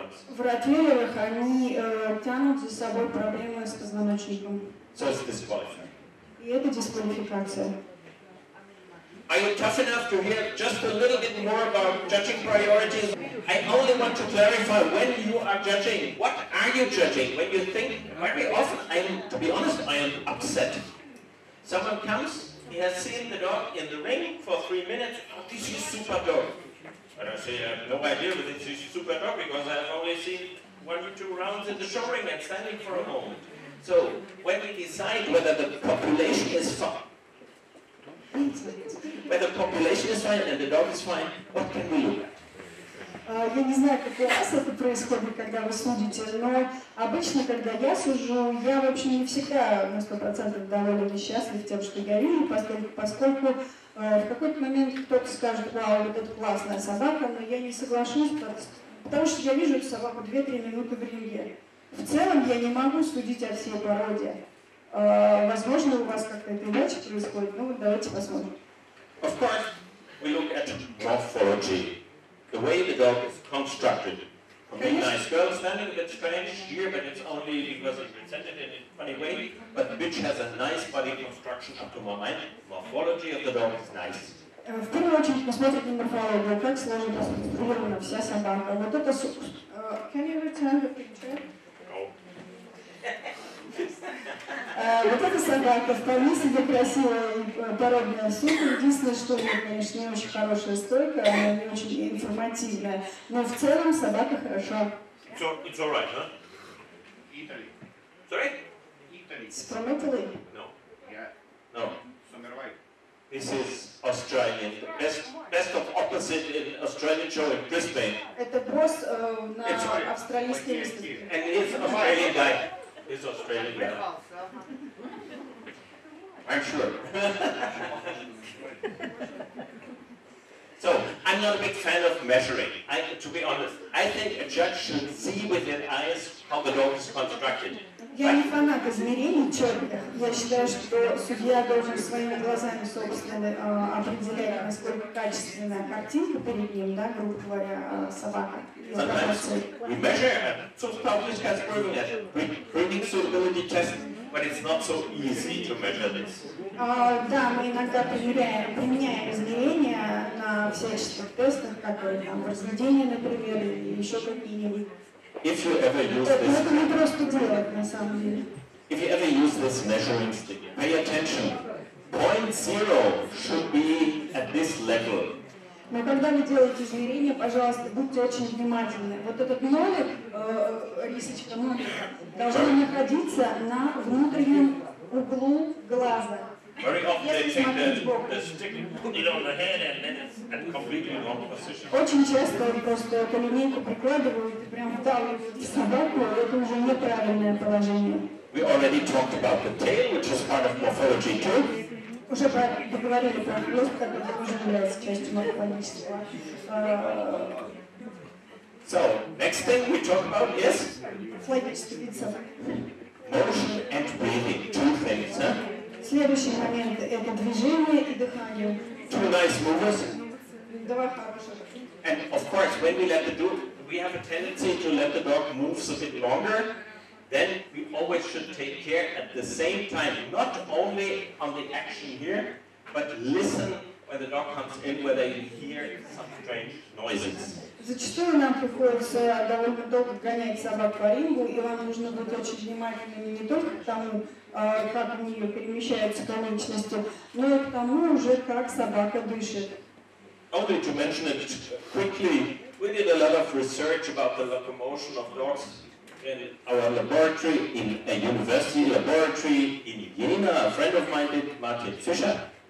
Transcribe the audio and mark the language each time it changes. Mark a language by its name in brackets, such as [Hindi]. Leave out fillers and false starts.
[Russian] в ротвейлерах они тянут за собой проблемы с позвоночником. [English] So it's disqualifying. [Russian] И это дисквалификация. [English] Are you tough enough to hear just a little bit more about judging priorities? I only want to clarify when you are judging. What are you judging? When you think very often, I am upset. Someone comes. He has seen the dog in the ring for 3 minutes. Oh, this is super dog. And I say, I have no idea with this is super dog because I have only seen 1 or 2 rounds in the show ring and standing for a moment. So when we decide whether the population is fine, and the dog is fine, what can we look at? [Russian] Я не знаю, как у вас это происходит, когда вы судите, но обычно, когда я сужу, я вообще не всегда на 100% доволен и счастлив тем, что я вижу, поскольку в какой-то момент кто-то скажет, вау, вот это классная собака, но я не соглашусь, потому что я вижу эту собаку 2-3 минуты в ринге. В целом я не могу судить о всей породе. Возможно, у вас как-то это иначе происходит, но вот давайте посмотрим. [English] Of course, we look at morphology. The way the dog is constructed. A really nice girl standing a bit strange here, but it's only because it's presented in a funny way. But the bitch has a nice body construction up to my mind. Morphology of the dog is nice. [Russian] В первую очередь мы смотрим на морфологию, как сложена структурирована вся собака. Вот это сук. [English] Can you return the picture? No. [Russian] Вот эта собака вполне себе красивая и породная сука. Единственное, что у нее, конечно, не очень хорошая стойка, она не очень информативная. Но в целом собака хорошо. [English] It's all right, huh? Italy. Sorry? Italy. It's from Italy? No. Yeah. No. Somewhere. This is Australian. Best of opposite in Australian show in Brisbane. [Russian] Это босс на австралийской выставке. [English] And it's Australian guy. It's Australian. I'm sure. So, I'm not a big fan of measuring. To be honest, I think a judge should see with their eyes how the dog is constructed. [Russian] Я не фанат измерений черных. Я считаю, что судья должен своими глазами, собственно, определять, насколько качественная картинка перед ним, да, грубо говоря, собака. [English] We measure it. So Pavlis has proven that. Breeding suitability test, but it's not so easy to measure this. [Russian] Да, мы иногда применяем измерения на всяческих тестах, которые там в разведении, например, или еще какие-нибудь. [English] If you ever use this, [Russian] делать, [English] if you ever use this measuring stick, pay attention. 0.0 should be at this level. [Russian] Но когда вы делаете измерения, пожалуйста, будьте очень внимательны. Вот этот нолик, рисочка нолика, должен находиться на внутреннем углу глаза. [English] Very often they take the stick and put it on the head and then it's at completely wrong position. [Russian] Очень часто они просто эту линейку прикладывают и прям вдавливают собаку, это уже неправильное положение. [English] We already talked about the tail, which is part of morphology too. [Russian] Уже поговорили про хвост, который тоже является частью морфологического. [English] So, next thing we talk about is? Motion and breathing, two things, huh? [Russian] Следующий момент – это движение и дыхание. [English] Two nice movers. [Russian] Два хороших. [English] And of course, when we let the dog, we have a tendency to let the dog move a bit longer. Then we always should take care at the same time, not only on the action here, but listen when the dog comes in, whether you hear some strange noises. [Russian] Зачастую нам приходится довольно долго гонять собак по рингу, и вам нужно быть очень внимательными не только к тому, как у нее перемещаются конечности, но и к тому уже, как собака дышит. [English] Only to mention it quickly, we did a lot of research about the locomotion of dogs in our laboratory, in a university laboratory in Jena. A friend of mine did, Martin Fischer.